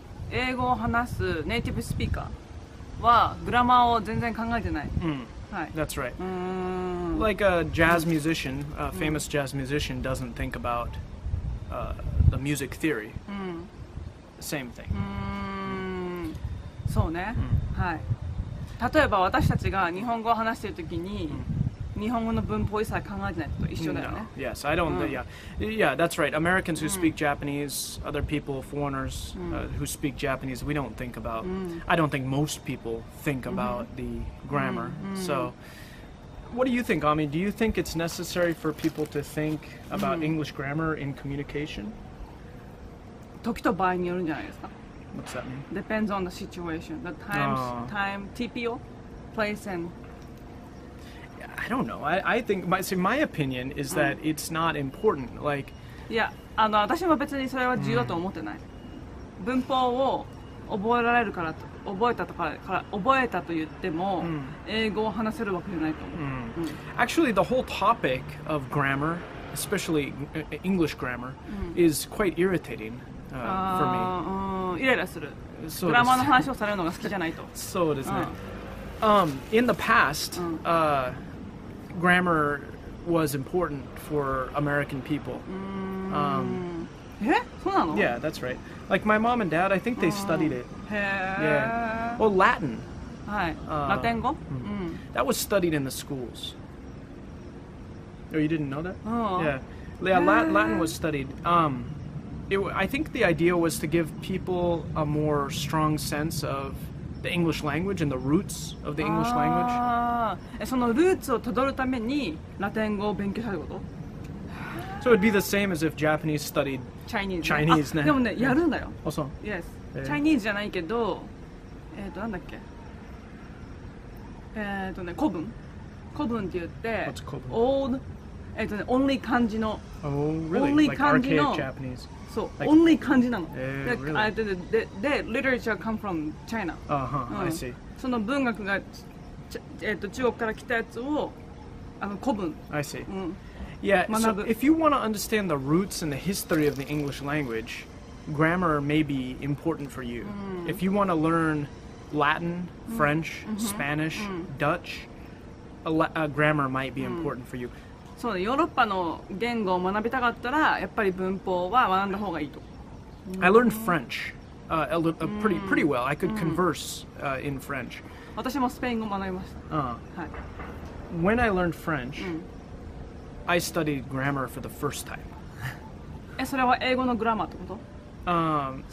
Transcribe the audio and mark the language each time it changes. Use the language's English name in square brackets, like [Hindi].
[Japanese] 英語を話すネイティブスピーカーはグラマーを全然考えてない。 [English] That's right. Like a jazz musician, a famous jazz musician doesn't think about the music theory. Same thing. [Japanese] そうね。はい。例えば私たちが日本語を話しているときに。日本語の文法一切考えてないと一緒だよね。 [English] No. Yes, I don't. Yeah, that's right. Americans who speak Japanese, other people, foreigners who speak Japanese, we don't think about. I don't think most people think about the grammar. So, what do you think, Ami? Do you think it's necessary for people to think about English grammar in communication? [Japanese] 時と場合によるんじゃないですか。 [English] What's that mean? Depends on the situation, the times, time, TPO, place and. I don't know. I think my, see, my opinion is that it's not important. Like, [Japanese] yeah, あの、私も別にそれは重要だと思ってない。文法を覚えられるからと、覚えたとかから、覚えたと言っても、英語を話せるわけじゃないと思う。 [English] Actually, the whole topic of grammar, especially English grammar, is quite irritating for me. [Japanese] イライラする。グラマーの話をされるのが好きじゃないと。そうですね。 [English] In the past, grammar was important for American people. Yeah, that's right. Like my mom and dad, I think they studied it. Yeah. Well, Latin. Latin? That was studied in the schools. Oh, you didn't know that? Latin was studied. I think the idea was to give people a more strong sense of. The English language and the roots of the English language. [Japanese] そのルーツをたどるためにラテン語を勉強したこと? [English] So it'd be the same as if Japanese studied Chinese. Chinese, [Japanese] ね。でもね、やるんだよ。あ、そう。 [English] Yes. [Japanese] Chinese じゃないけど、なんだっけ。古文。古文って言って、 [English] What's 古文? Old, only [Japanese] 漢字の。 [English] Oh, really? Only like [Japanese] 漢字の。 [English] Archaic Japanese. So, only [Japanese] 漢字なの。 [English] Really? で、literature come from China. I see. [Japanese] その文学が、中国から来たやつを、古文。 [English] I see. Yeah, so if you want to understand the roots and the history of the English language, grammar may be important for you. If you want to learn Latin, French, Spanish, Dutch, grammar might be important for you. [Japanese] そうね、ヨーロッパの言語を学びたかったら、やっぱり文法は学んだ方がいいと。 [English] I learned French pretty well. I could converse in French. [Japanese] 私もスペイン語を学びました。 [English] When I learned French, I studied grammar for the first time. [Japanese] それは英語のグラマーってこと?